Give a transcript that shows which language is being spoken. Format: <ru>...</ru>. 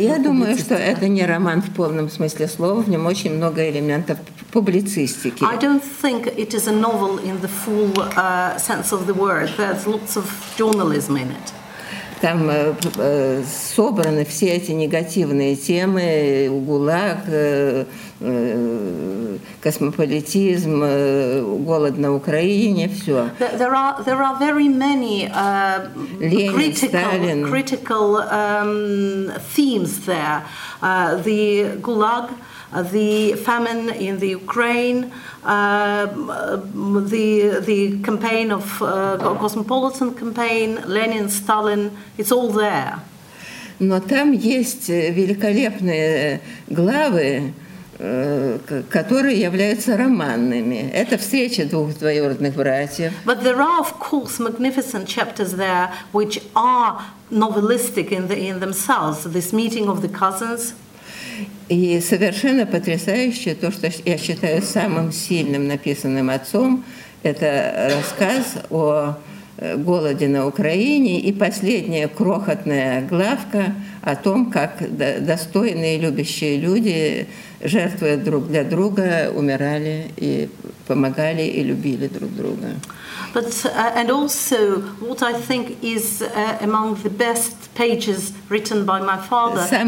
<ru>Я думаю, что это не роман в полном смысле слова. В нем очень много элементов публицистики.</ru> <en>I don't think it is a novel in the full sense of the word. There's lots of journalism in it.</en> <ru>Там собраны все эти негативные темы, ГУЛАГ, космополитизм, голод на Украине, все.</ru> <en>There are very many Ленин, critical themes there. The ГУЛАГ, the famine in the Ukraine, the campaign of cosmopolitan campaign, Lenin, Stalin, it's all there.</en> <ru>Но там есть великолепные главы, которые являются романными. Это встреча двух двоюродных братьев.</ru> <en>But there are, of course, magnificent chapters there which are novelistic in themselves, this meeting of the cousins.</en> <ru>И совершенно потрясающе то, что я считаю самым сильным написанным отцом, это рассказ о голоде на Украине и последняя крохотная главка о том, как достойные любящие люди, жертвуя друг для друга, умирали и помогали и любили друг друга.</ru> <en>But and also what I think is among the best pages written by my father.</en>